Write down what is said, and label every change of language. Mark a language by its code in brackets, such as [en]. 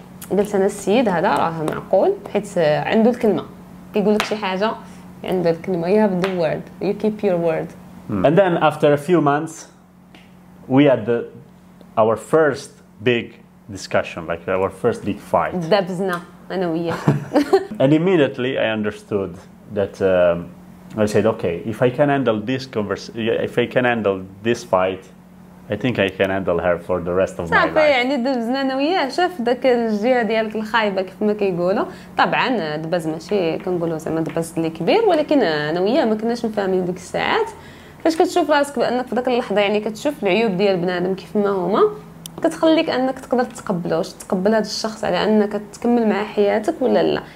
[ar] قلت أنا السيد هذا راه معقول، حيت عنده الكلمة. كيقول لك شي حاجة عنده الكلمة. [en] You have the word. You keep your word. And then after a few months, we had our first big discussion, like our first big fight. [ar] دبزنا أنا وياه. [en] And immediately I understood that I said, okay, if I can handle this if I can handle this fight, I think I can handle her for the rest of my life. [ar] صافي يعني دبزنا انا وياه. شاف داك الجهه ديالك الخايبه كيف ما كيقولوا. طبعا دبز ماشي كنقولوا زعما دبز اللي كبير، ولكن انا وياه ما كناش مفاهمين ديك الساعات. فاش كتشوف راسك بانك في داك اللحظه يعني كتشوف العيوب ديال بنادم كيف ما هما، كتخليك انك تقدر تتقبله واش تقبل هذا الشخص على انك تكمل معاه حياتك ولا لا.